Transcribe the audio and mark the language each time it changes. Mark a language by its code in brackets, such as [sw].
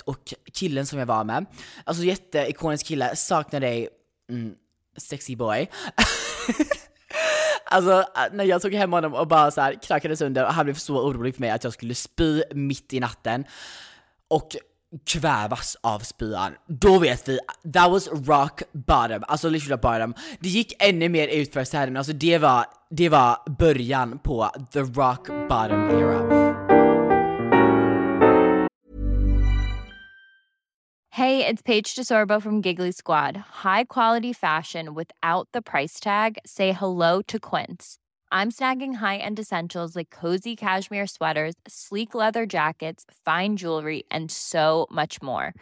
[sv] Och killen som jag var med, alltså jätteikonisk kille, saknar dig, [en] sexy boy. [sv] Alltså när jag tog hem honom och bara så här krackades under, och han blev så orolig för mig att jag skulle spy mitt i natten och kvävas av spyan. Då vet vi, [en] that was rock bottom. Alltså literally bottom. [sv] Det gick ännu mer ut för sig här, men alltså det var början på [en] the rock bottom era. Hey, it's Paige DeSorbo from Giggly Squad. High quality fashion without the price tag. Say hello to Quince. I'm snagging high-end essentials like cozy cashmere sweaters, sleek leather jackets, fine jewelry, and so much more.